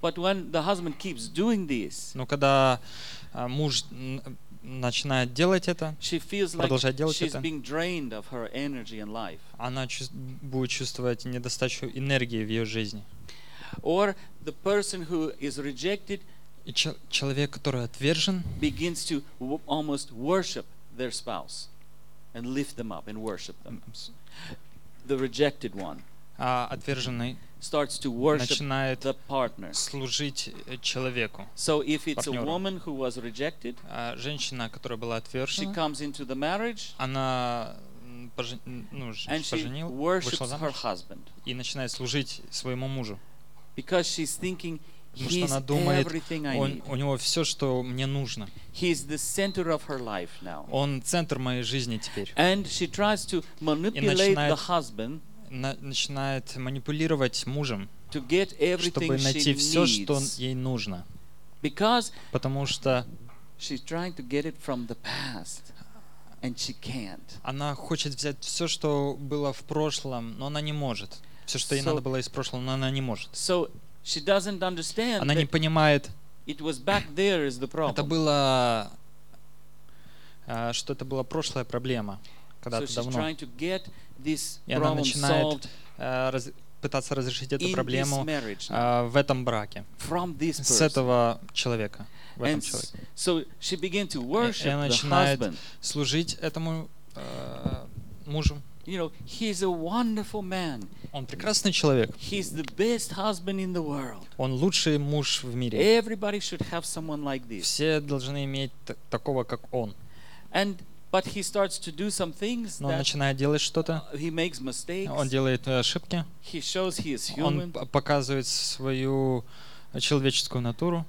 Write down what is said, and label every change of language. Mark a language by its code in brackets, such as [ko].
[en] But when the husband keeps doing this. [ru] Но когда муж начинает делать это, [en] she feels [ru] продолжает [en] like [ru] делать [en] she's [ru] это, [en] being drained of her energy and life. [ru] Она будет чувствовать недостачу энергии в ее жизни. [en] Or the person who is rejected. [ru] И человек, который отвержен, [en] begins to almost worship their spouse. And lift them up and worship them. The rejected one. [ru] Отверженный [en] starts to worship the partner. [ru] Служить человеку. [en] So if it's a woman who was rejected, [ru] женщина, которая была отвержена, [en] she comes into the marriage, [ru] она [en] and she worships her husband. [ru] И начинает служить своему мужу. [en] Because she's thinking, he's everything I need. [ru] У него все, что мне нужно. [en] He's the center of her life now. [ru] Он центр моей жизни теперь. [en] And she tries to manipulate the husband. [ru] Начинает манипулировать мужем. [en] To get everything [ru] чтобы найти [en] she [ru] все, [en] needs. [ru] Что ей нужно. [en] Because [ru] потому что [en] she's trying to get it from the past. And she can't. [ru] Она хочет взять все, что было в прошлом, но она не может. Все, что ей надо было из прошлого, но она не может. [en] So she doesn't understand. [ru] Она не понимает. [en] It was back there is the problem. [ru] Это было, что это была прошлая проблема, когда-то [en] so [ru] давно. [en] So she's trying to get this [ru] и [en] problem [ru] начинает, пытаться разрешить эту проблему в этом браке. [en] From this [ru] с этого человека. В [en] and [ru] этом человеке. [en] So she began to worship [ru] и [en] the [ru] начинает [en] husband. [ru] Служить этому мужу. [en] You know, he's a wonderful man. [ru] Он прекрасный человек. [en] He's the best husband in the world. [ru] Он лучший муж в мире. [en] Everybody should have someone like this. [ru] Все должны иметь такого, как он. [en] And but he starts to do some things. [ru] Но он начинает делать что-то. [en] He makes mistakes. [ru] Он делает ошибки. [en] He shows he is human. [ru] Он показывает свою человеческую натуру.